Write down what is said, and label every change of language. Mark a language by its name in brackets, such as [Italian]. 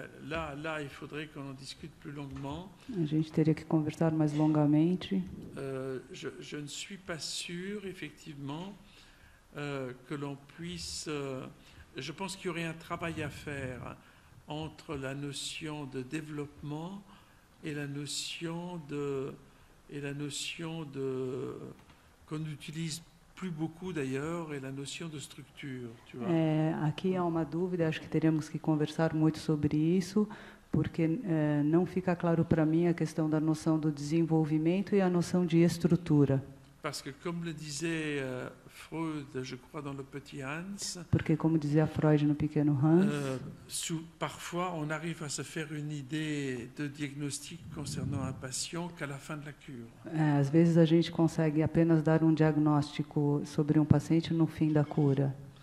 [French] Là, il faudrait qu'on en discute plus longuement. [Portuguese] A gente teria que conversar mais longamente. [French] Je ne suis pas sûr, effectivement, que l'on puisse. Je pense qu'il y aurait un travail à faire entre la notion de développement et la notion de qu'on utilise. Plus beaucoup d'ailleurs et la notion de structure, tu vois. [Portuguese] Aqui há uma dúvida, acho que teremos que conversar muito sobre isso, porque não fica claro para mim a questão da noção do desenvolvimento e a noção de estrutura. [French] Parce que comme le disait Freud, je crois dans le petit Hans. [Portuguese] Porque como dizia Freud no pequeno Hans, [French] parfois on arrive à se faire une idée de diagnostic concernant un patient qu'à la fin de la cure. [Portuguese] Às vezes a gente consegue apenas dar um diagnóstico sobre um paciente no fim da cura.